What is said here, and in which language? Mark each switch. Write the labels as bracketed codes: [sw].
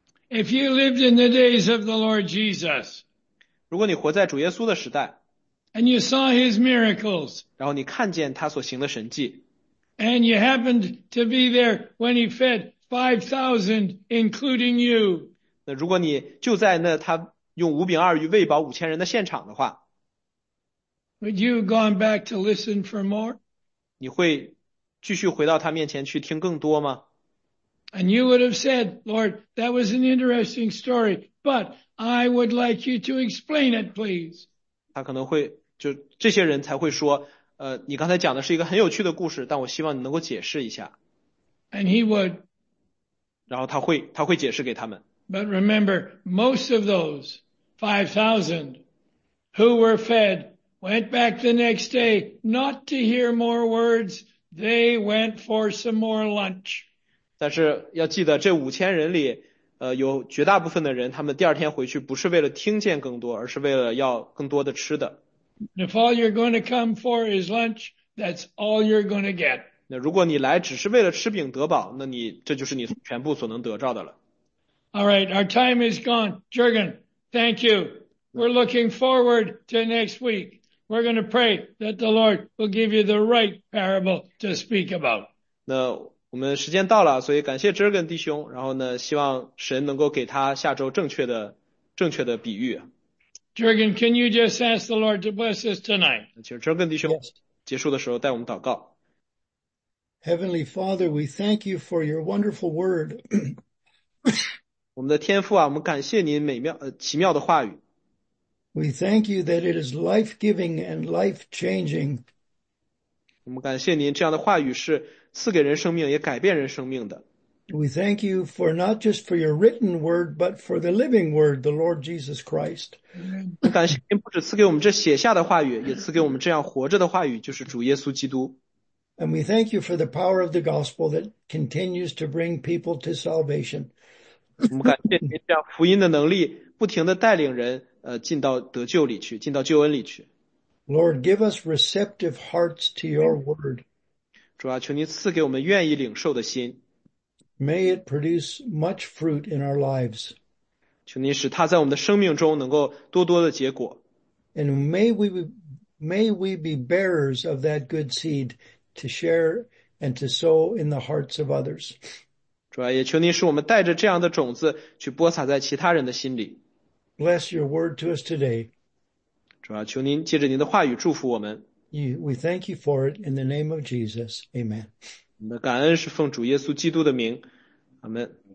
[en] If you lived in the days of the Lord Jesus, [zh] 如果你活在主耶稣的时代 [en] and you saw his miracles, [zh] 然后你看见他所行的神迹 [en] and you happened to be there when he fed 5,000 including you, [zh] 那如果你就在那他用五饼二鱼喂饱五千人的现场的话 [en] would you have gone back to listen for more? [zh] 你会继续回到他面前去听更多吗？ [en] And you would have said, Lord, that was an interesting story, but I would like you to explain it, please. [zh] 他可能会就这些人才会说，你刚才讲的是一个很有趣的故事，但我希望你能够解释一下。 [en] And he would. [zh] 然后他会解释给他们。 [en] But remember, most of those 5,000 who were fed went back the next day not to hear more words. They went for some more lunch. [zh] 但是要记得这五千人里有绝大部分的人他们第二天回去不是为了听见更多而是为了要更多的吃的。 [en] If all you're going to come for is lunch, that's all you're going to get. [zh] 那如果你来只是为了吃饼得饱那你这就是你全部所能得到的了。 [en] All right, our time is gone. Jürgen, thank you. We're looking forward to next week. We're going to pray that the Lord will give you the right parable to speak about. [zh] 那我们时间到了，所以感谢 Jürgen 弟兄，然后呢，希望神能够给他下周正确的比喻。 [en] Jürgen, can you just ask the Lord to bless us tonight? [zh] 请 Jürgen 弟兄结束的时候带我们祷告。 [en] Heavenly Father, we thank you for your wonderful word. [zh] 我们的天父啊，我们感谢您奇妙的话语。 [en] We thank you that it is life-giving and life-changing. [zh] 我们感谢您，这样的话语是赐给人生命，也改变人生命的。 [en] We thank you for not just for your written word, but for the living word, the Lord Jesus Christ. [zh] 感谢您不只赐给我们这写下的话语，也赐给我们这样活着的话语，就是主耶稣基督。 [en] And we thank you for the power of the gospel that continues to bring people to salvation. [zh] 我们感谢您这样福音的能力，不停地带领人进到得救里去，进到救恩里去。 [en] Lord, give us receptive hearts to your word. [zh] 主啊，求您赐给我们愿意领受的心。 [en] May it produce much fruit in our lives. [zh] 求您使它在我们的生命中能够多多的结果。 [en] And may we be bearers of that good seed to share and to sow in the hearts of others. [zh] 主啊，也求您使我们带着这样的种子去播撒在其他人的心里。 [en] Bless your word to us today. [zh] 主啊，求您借着您的话语祝福我们。 [en] We thank you for it in the name of Jesus. Amen. [zh] 我们的感恩是奉主耶稣基督的名，阿门。